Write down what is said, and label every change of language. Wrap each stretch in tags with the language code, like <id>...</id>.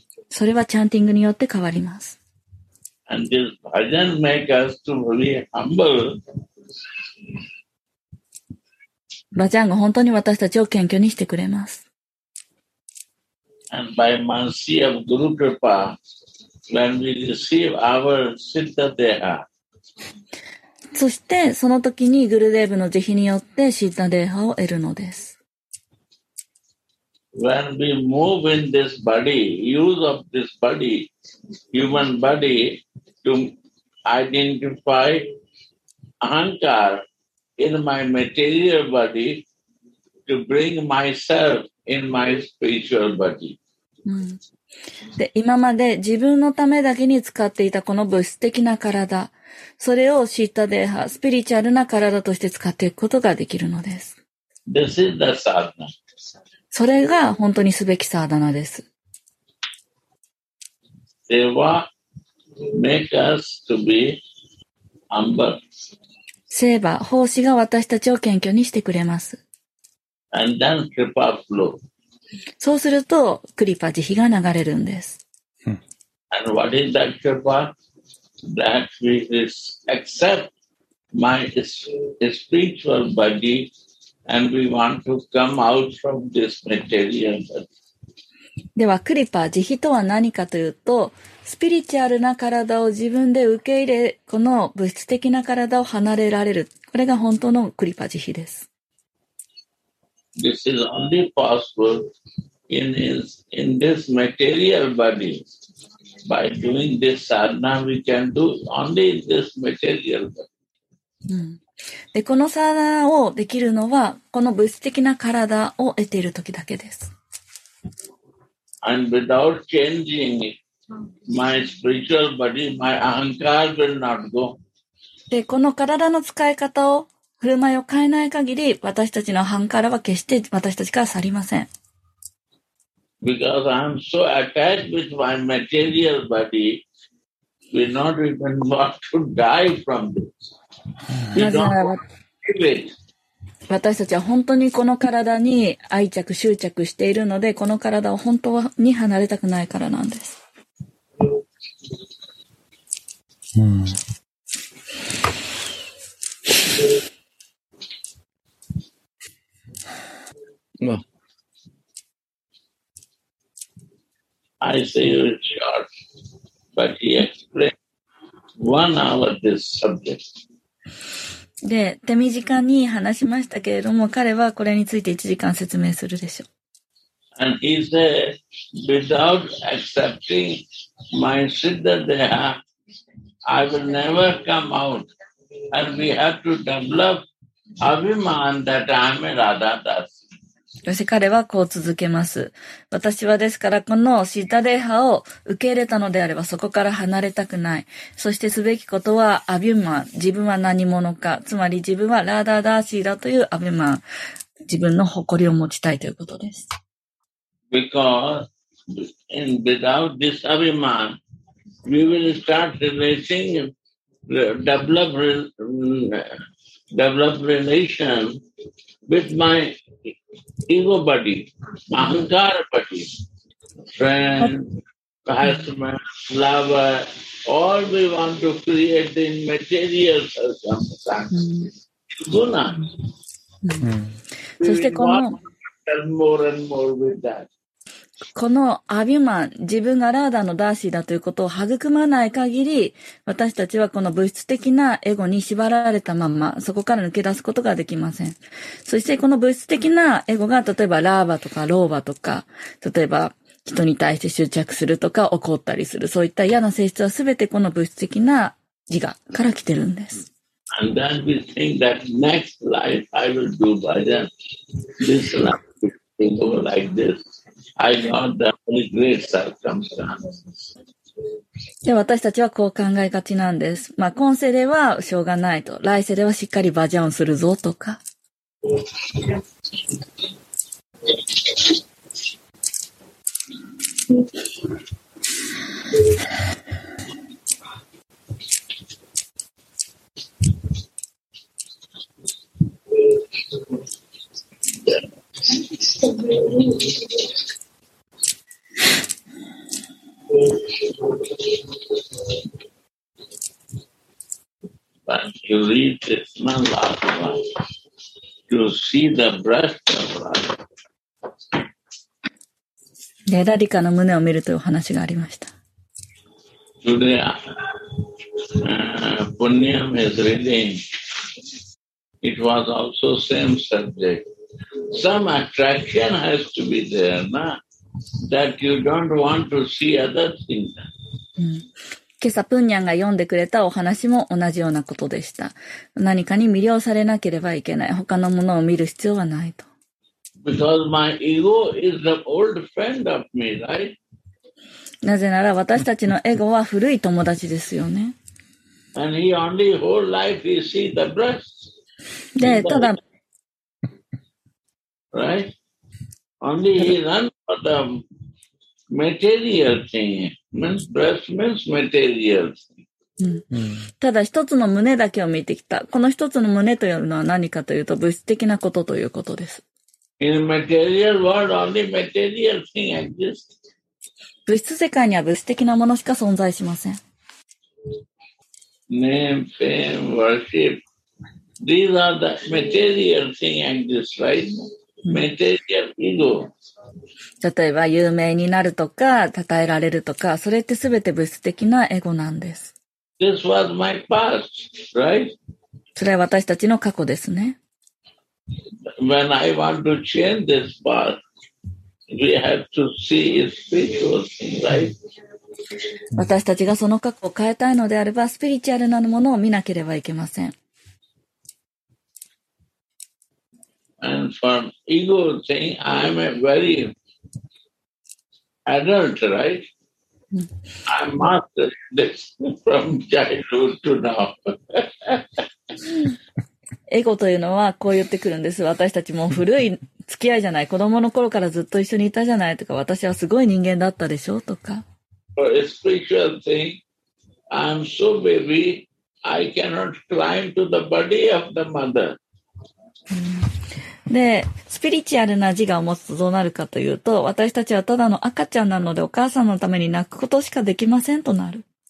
<ja>それはチャンティングによって変わります。</ja> <en>And this bhajan make us to be humble.</en> <ja>バジャンが本当に私たちを謙虚にしてくれます。</ja> <en>And by mercy of Guru Kripa, when we receive our Siddha Deha.</en> <ja>そしてその時にグルデーブの慈悲によってシッダデーハを得るのです。</ja> <en>When we move in this body, use of this body, human body, to identify ahankar in my material body, to bring myself in my spiritual body.、</en> <ja>うん、で今まで自分のためだけに使っていたこの物質的な体、それをシッダデーハ、スピリチュアルな体として使っていくことができるのです。</ja> <en>This is the sadhana.</en> <ja>それが本当にすべきサーダナです。</ja> <en>Seva make us to be humble.</en> <ja>セーバ、奉仕が私たちを謙虚にしてくれます。</ja> <en>And then kripa flow.</en> <ja>そうすると、クリパ慈悲が流れるんです。</ja> <en>And what is that kripa? That we accept my spiritual body. And we want to come out from this material.</en> <ja>では、クリパ、慈悲とは何かというと、スピリチュアルな体を自分で受け入れ、この物質的な体を離れられる。これが本当のクリパ慈悲です。</ja> <en>This is only possible in this material body. By doing this sadhana, we can do only in this material body.、</en> <ja>うんでこのサーダナをできるのはこの物質的な体を得ている時だけです。</ja> <en>And without changing my spiritual body, my ahankar will not go.</en> <ja>でこの体の使い方を振る舞いを変えない限り私たちのアハンカラは決して私たちから去りません。</ja> <en>Because I'm so attached with my material body, we're not even want to die from this.</en> <ja>なぜなら私たちは本当にこの体に愛着執着しているのでこの体を本当に離れたくないからなんです、うん、ま</ja> <en>あ、I say you're short but he explained one hour this subject</en> <ja>で手短に話しましたけれども彼はこれについて1時間説明するでしょう。</ja> <en>And he said, without accepting my Siddha Deha, I will never come out. And we have to develop Abhiman that I am a Radha Das.</en> <ja>そして彼はこう続けます。私はですからこのシッダデーハを受け入れたのであればそこから離れたくない。そしてすべきことはアビュマン、自分は何者か、つまり自分はラーダーダーシーだというアビュマン、自分の誇りを持ちたいということです。</ja> <en>Because without this Abhiman, we will start releasing, develop relation with my ego body, ahankar body, friend, customer, lover, all we want to create in material circumstances. Guna.</en> <ja>そしてこの、</ja> <en>more and more with that.</en> <ja>このアビュマン、自分がラーダのダーシーだということを育まない限り、私たちはこの物質的なエゴに縛られたまま、そこから抜け出すことができません。そしてこの物質的なエゴが、例えばラーバとかローバとか、例えば人に対して執着するとか怒ったりする、そういった嫌な性質はすべてこの物質的な自我から来てるんです。</ja> <en>And then we think that next life I will do by then. This life will go like this. I got the only great circumstances.</en> <ja>で私たちはこう考えがちなんです。まあ、今世ではしょうがないと、来世ではしっかりバジャンするぞとか。</ja> <en>But you leave this mala, you see the breath of life.</en> <ja>レダリカの胸を見るという話がありました。</ja> <en>Today, Punyam is reading. It was also same subject. Some attraction has to be there, na? That you don't want to see other things.</en> <ja>今朝プンニャンが読んでくれたお話も同じようなことでした。何かに魅了されなければいけない。他のものを見る必要はないと。</ja> <en>Because my ego is the old friend of me, right?</en> <ja>なぜなら私たちのエゴは古い友達ですよね。</ja> <en>And he only whole life he see the breast.</en> <ja>で、ただ。</ja> <en>Right? Only he run for the material thing. Means breast means material thing.</en> <ja>ただ一つの胸だけを見てきた。この一つの胸というのは何かというと物質的なことということです。</ja> <en>In material world, only material thing exists.</en> <ja>物質世界には物質的なものしか存在しません。</ja> <en>Name, fame, worship. These are the material thing exists, right? Material ego.</en> <ja>例えば有名になるとか、称えられるとか、それってすべて物質的なエゴなんです。</ja> <en>This was my past, right?</en> <ja>それは私たちの過去ですね。</ja> <en>When I want to change this path, we have to see its spiritual thing, right?</en> <ja>私たちがその過去を変えたいのであれば、スピリチュアルなものを見なければいけません。</ja> <en>And from ego thing, I'm a very adult, right? I'm mastered this from childhood to now.</en> <ja>エゴというのはこう言ってくるんです。私たちも古い付き合いじゃない。子供の頃からずっと一緒にいたじゃないとか、私はすごい人間だったでしょとか。</ja> <en>For a spiritual thing, I'm so baby, I cannot climb to the body of the mother.</en> <ja>で、スピリチュアルな自我を持つとどうなるかというと、私たちはただの赤ちゃんなので、お母さんのために泣くことしかできませんとなる。</ja>